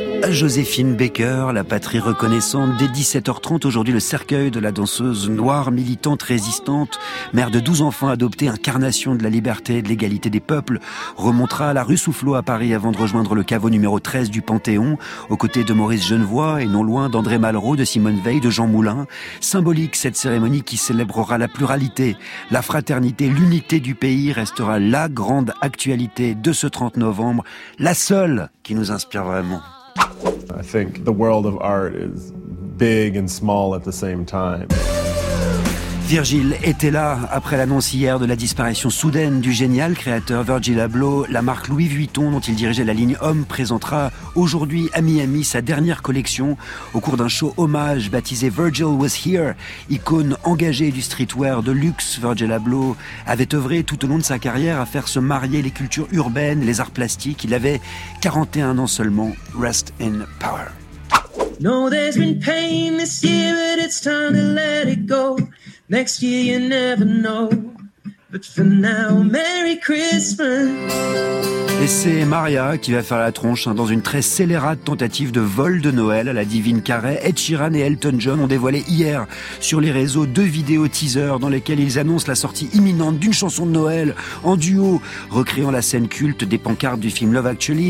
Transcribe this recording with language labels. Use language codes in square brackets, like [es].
[fr] Joséphine Baker, la patrie reconnaissante, dès 17h30, aujourd'hui le cercueil de la danseuse noire, militante, résistante, mère de 12 enfants adoptés, incarnation de la liberté et de l'égalité des peuples, remontera à la rue Soufflot à Paris avant de rejoindre le caveau numéro 13 du Panthéon, aux côtés de Maurice Genevoix et non loin d'André Malraux, de Simone Veil, de Jean Moulin. Symbolique, cette cérémonie qui célébrera la pluralité, la fraternité, l'unité du pays restera la grande actualité de ce 30 novembre, la seule qui nous inspire vraiment. [en] I think the world of art is big and small at the same time. [fr] Virgil était là après l'annonce hier de la disparition soudaine du génial créateur Virgil Abloh. La marque Louis Vuitton, dont il dirigeait la ligne Homme, présentera aujourd'hui à Miami sa dernière collection au cours d'un show hommage baptisé Virgil Was Here. Icône engagée du streetwear de luxe, Virgil Abloh avait œuvré tout au long de sa carrière à faire se marier les cultures urbaines, les arts plastiques. Il avait 41 ans seulement. [en] Rest in power. No, there's been pain this year, but it's time to let it go. Next year you never know, but for now, Merry Christmas. [fr] Et c'est Maria qui va faire la tronche dans une très scélérate tentative de vol de Noël à la Divine Carré. Ed Sheeran et Elton John ont dévoilé hier sur les réseaux deux vidéos teasers dans lesquelles ils annoncent la sortie imminente d'une chanson de Noël en duo, recréant la scène culte des pancartes du film Love Actually.